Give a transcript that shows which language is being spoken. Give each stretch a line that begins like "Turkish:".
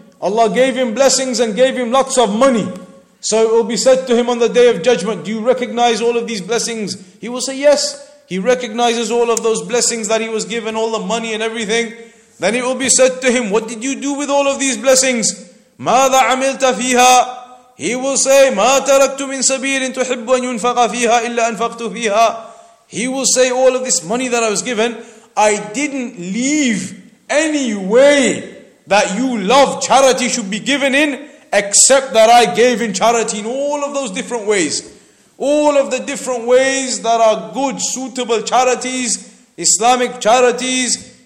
English: Allah gave him blessings and gave him lots of money. So it will be said to him on the day of judgment, do you recognize all of these blessings? He will say yes. He recognizes all of those blessings that he was given, all the money and everything. Then it will be said to him, what did you do with all of these blessings?
Arabic: مَاذَا عَمِلْتَ فِيهَا.
English: He will say,
Arabic: مَا تَرَكْتُ مِن سَبِيلٍ تُحِبُّ أَن يُنفَقَ فِيهَا إِلَّا أَنفَقْتُ فِيهَا.
English: He will say, all of this money that I was given, I didn't leave any way that you love charity should be given in, except that I gave in charity in all of those different ways. All of the different ways that are good, suitable charities, Islamic charities.